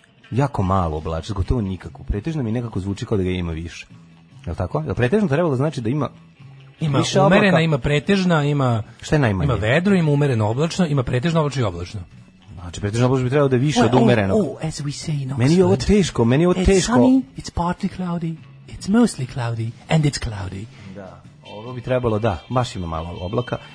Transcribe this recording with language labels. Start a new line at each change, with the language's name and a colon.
Serbian: Jako malo oblačnost, gotovo nikako. Pretežno mi nekako zvuči kao da ga ima više. Je li tako? Je li pretežno trebalo znači da ima, ima više Ima umerena, ima pretežna, ima... Šta je najmanje? Ima vedro, ima umereno oblačno, ima pretežno oblačno i oblačno. Znači, pretežno oblačno bi trebalo da je više od umerenog.
English: Oh, as we say in Oxford,
Serbian: meni je ovo teško, meni je ovo
English: it's
Serbian: teško.
English: It's sunny, it's partly cloudy, it's mostly cloudy, and it's cloudy.
Serbian: Da, ovo bi trebalo, da, baš ima malo oblaka.